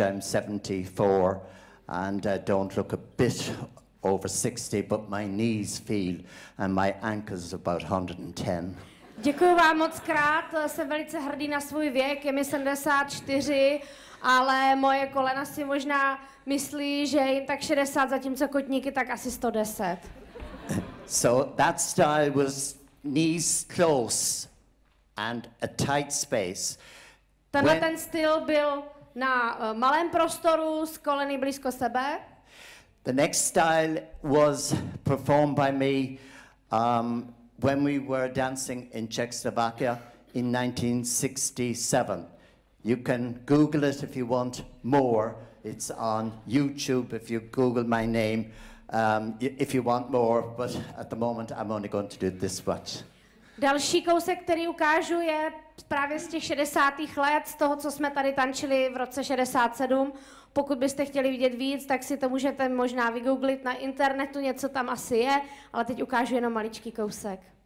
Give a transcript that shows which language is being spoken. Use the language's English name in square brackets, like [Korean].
[English] I'm 74 and I don't look a bit over 60, but my knees feel and my ankles about 110. [Czech] Děkuji vám moc krát. Jsem velice hrdý na svůj věk. Je mi 74, ale moje kolena si možná myslí, že jim tak 60, zatímco kotníky tak asi 110. [English] So that style was knees close and a tight space. [Czech] Tenhle ten styl byl na malém prostoru s koleny blízko sebe. [English] The next style was performed by me when we were dancing in Czechoslovakia in 1967. You can Google it if you want more. It's on YouTube if you Google my name if you want more, but at the moment I'm only going to do this much. [Czech] Další kousek, který ukážu, je právě z těch 60. let, z toho, co jsme tady tančili v roce 67. Pokud byste chtěli vidět víc, tak si to můžete možná vygooglit na internetu, něco tam asi je, ale teď ukážu jenom maličký kousek.